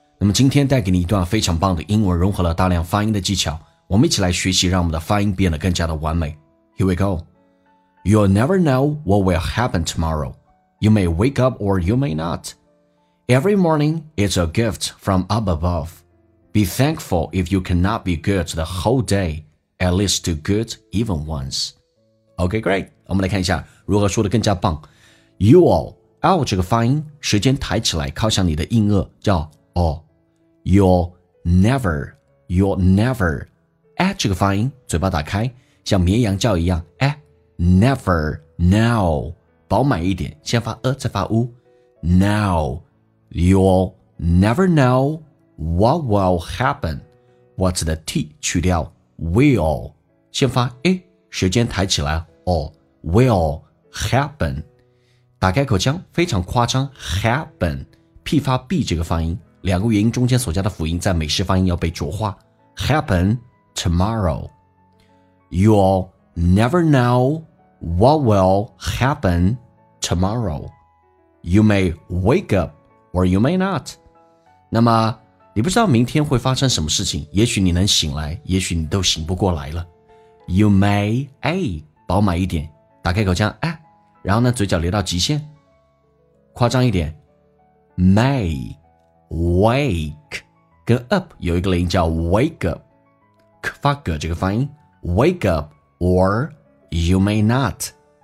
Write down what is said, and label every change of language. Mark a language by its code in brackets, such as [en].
[zh] 那么今天带给你一段非常棒的英文，融合了大量发音的技巧，我们一起来学习，让我们的发音变得更加的完美。 [en] Here we go. You'll never know what will happen tomorrow. You may wake up or you may not. Every morning is a gift from up above. Be thankful if you cannot be good the whole day, at least do good even once. Okay, great. [zh] 我们来看一下如何说得更加棒。 You'll 这个发音，舌尖抬起来靠向你的硬腭，叫 all。 [en] You'll never [zh] 这个发音，嘴巴打开像绵羊叫一样，哎， [en] never now [zh] 饱满一点，先发呃再发呜。 [en] Now you'll never know what will happen. What's the T [zh] 去掉 will， 先发哎，舌尖抬起来 [en] all will happen， [zh] 打开口腔非常夸张 happen， 屁发 b 这个发音，两个元音中间所加的辅音在美式发音要被浊化 [en] happen tomorrow。 You'll never know what will happen tomorrow. You may wake up or you may not. [zh] 那么你不知道明天会发生什么事情，也许你能醒来，也许你都醒不过来了。 [en] You may [zh] 饱满一点，打开口腔哎，然后呢嘴角留到极限，夸张一点 [en] may wake， [zh] 跟 up 有一个连音叫 wake up， 发个这个发音 [en] wake up or you may not。